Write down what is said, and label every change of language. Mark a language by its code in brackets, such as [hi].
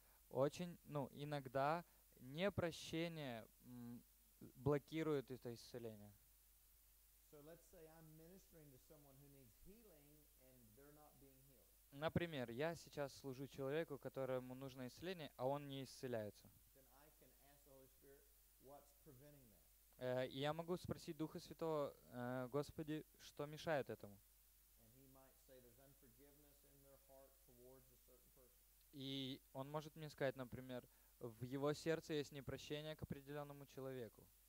[ru] Очень, ну, иногда непрощение блокирует это исцеление. [en] So let's say I'm ministering to someone who needs healing and they're not being healed. [ru] Например, я сейчас служу человеку, которому нужно исцеление, а он не исцеляется. [en] Then I can ask the Holy Spirit, what's preventing that? [ru] Я могу спросить Духа Святого, Господи, что мешает этому? [en] And he might say there's unforgiveness in their heart towards a certain person. [ru] И он может мне сказать, например, в его сердце есть непрощение к определенному человеку.